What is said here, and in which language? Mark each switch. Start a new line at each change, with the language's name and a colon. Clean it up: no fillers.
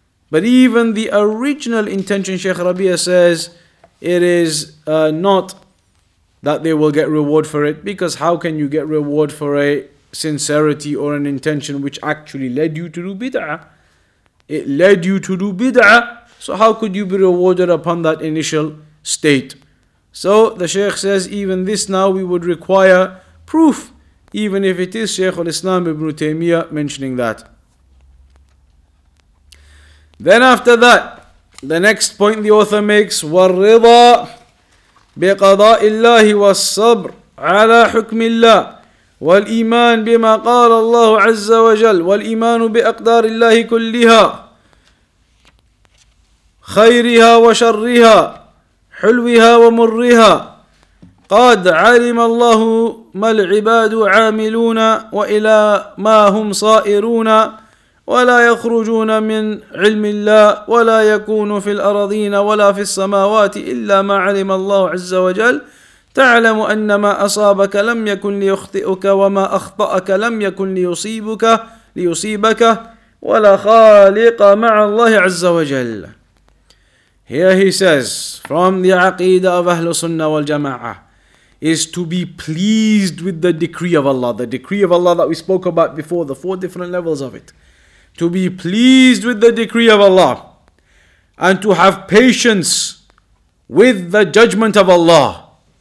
English: But even the original intention, Shaykh Rabee says, it is not that they will get reward for it, because how can you get reward for a sincerity or an intention which actually led you to do bid'ah? It led you to do bid'ah, so how could you be rewarded upon that initial state? So the Shaykh says, even this now we would require proof, even if it is Shaykh al-Islam ibn Taymiyyah mentioning that. Then after that, the next point the author makes,
Arabic: وَالرِّضَى بِقَضَاءِ اللَّهِ وَالصَّبْرِ عَلَىٰ حُكْمِ اللَّهِ وَالْإِيمَانِ بِمَا قَالَ اللَّهُ عَزَّ وَجَلَّ وَالْإِيمَانُ بِأَقْدَارِ اللَّهِ كُلِّهَا خَيْرِهَا وَشَرِّهَا حُلْوِهَا وَمُرِّهَا قَدْ عَلِمَ اللَّهُ مَا الْعِبَادُ عَامِلُونَ وَإِلَىٰ مَا هُمْ صَائِرُونَ ولا يخرجون من علم الله ولا يكون في الأرضين ولا في السماوات إلا ما علم الله عز وجل تعلم أن ما أصابك لم يكن ليخطئك وما أخطأك لم يكن ليصيبك ولا خالق مع الله عز وجل.
English: Here he says, from the Aqeedah of Ahl Sunnah wal Jama'ah, is to be pleased with the decree of Allah. The decree of Allah that we spoke about before, the four different levels of it. To be pleased with the decree of Allah and to have patience with the judgment of Allah.